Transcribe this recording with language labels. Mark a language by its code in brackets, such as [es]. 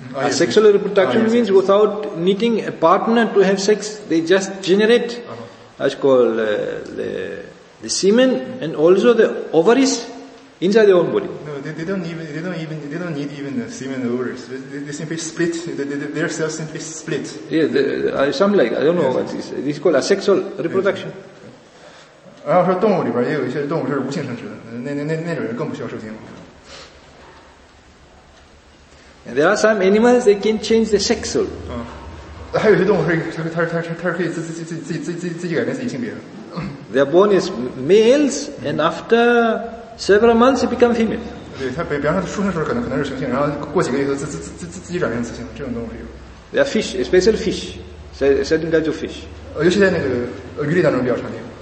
[en] Sexual reproduction means without needing a partner to have sex, they just generate, as called the semen and also the ovaries inside their own body. No, they don't need the semen and ovaries. They simply split. Their cells simply split. Yeah, something like that. I don't know what this is. This is called asexual reproduction. Yes. [zh] 然后说动物里边也有一些动物是无性生殖的，那种人更不需要受精。 [en] There are some animals they can change the sexual. [zh] 还有些动物是它可以自己改变自己性别的。They [en] are born as males and after several months they become female. [zh] 对，它比方说出生的时候可能是雄性，然后过几个月以后自己转变雌性，这种动物是有。They [en] are fish, especially fish, certain kinds of fish. [zh] 尤其在那个鱼类当中比较常见。